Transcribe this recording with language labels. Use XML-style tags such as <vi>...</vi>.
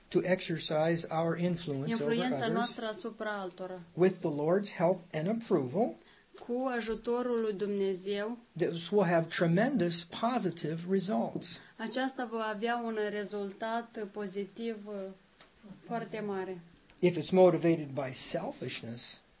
<en>to exercise our influence</en> <ro>influența</ro> <en>over</en> <ro>noastră asupra altora,</ro> <en>with the Lord's help and approval,</en> <ro>cu ajutorul lui Dumnezeu,</ro> <en>this will have tremendous positive results.</en> <ro>Aceasta va avea un rezultat pozitiv foarte mare.</ro> <en>If it's motivated by selfishness,</en>